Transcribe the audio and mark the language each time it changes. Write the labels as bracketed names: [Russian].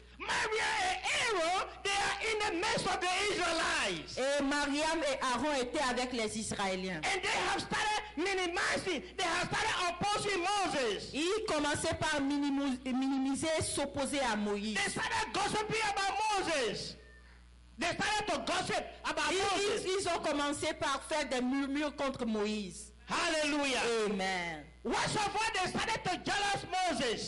[English] Miriam and Aaron, they are in the midst of the Israelites. [French] Et Miriam et Aaron étaient avec les Israéliens. [English] And they have started minimizing. They have started opposing Moses. [French] Ils commençaient par minimiser, s'opposer à Moïse. [English] They started gossiping about Moses. They started to gossip about Moses. [French] Ils ont commencé par faire des murmures contre Moïse. [English] Hallelujah. Amen. Once of all, they started to jealous Moses.